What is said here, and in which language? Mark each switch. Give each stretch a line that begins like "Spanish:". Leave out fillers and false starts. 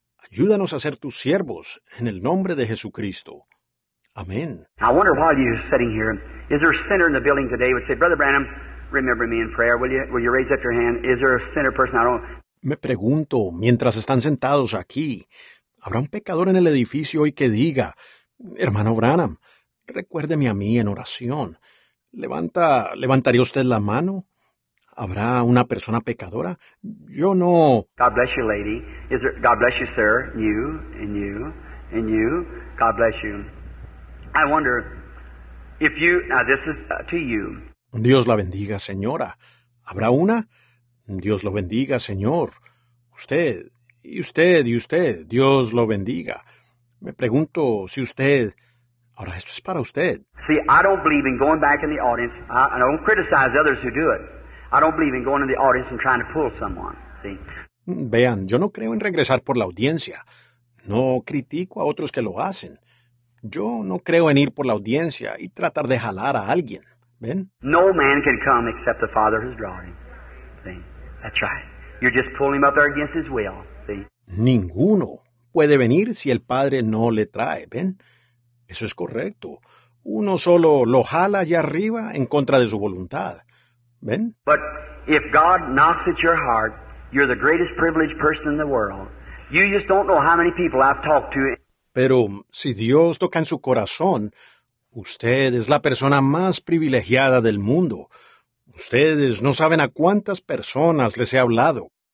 Spanish: Ayúdanos a ser tus siervos en el nombre de Jesucristo. Amén.
English: I wonder while you're sitting here, is there a sinner in the building today who would say, Brother Branham, remember me in prayer, will you? Will you raise up your hand? Is there a sinner person? I don't.
Spanish: Me pregunto, mientras están sentados aquí, ¿habrá un pecador en el edificio hoy que diga, hermano Branham, recuérdeme a mí en oración? ¿Levantaría usted la mano? ¿Habrá una persona pecadora? Yo no.
English: God bless you, lady. Is there, God bless you, sir. You, and you, and you. God bless you. I wonder if you, now this is to you.
Spanish: Dios la bendiga, señora. ¿Habrá una? Dios lo bendiga, Señor. Usted, y usted, y usted, Dios lo bendiga. Me pregunto si usted... Ahora, esto es para usted.
English: See, I don't believe in going back in the audience. I don't criticize others who do it. I don't believe in going in the audience and trying to pull someone. See?
Spanish: Vean, yo no creo en regresar por la audiencia. No critico a otros que lo hacen. Yo no creo en ir por la audiencia y tratar de jalar a alguien. ¿Ven?
English: No man can come except the Father who's drawn him. That's right. You're just pulling him up there against his will. See?
Spanish: Ninguno puede venir si el Padre no le trae. ¿Ven? Eso es correcto. Uno solo lo jala allá arriba en contra de su voluntad. ¿Ven?
English: But if God knocks at your heart, you're the greatest privileged person in the world. You just don't know how many people I've talked to.
Spanish: Pero si Dios toca en su corazón, usted es la persona más privilegiada del mundo. Ustedes no saben a cuántas personas les he hablado.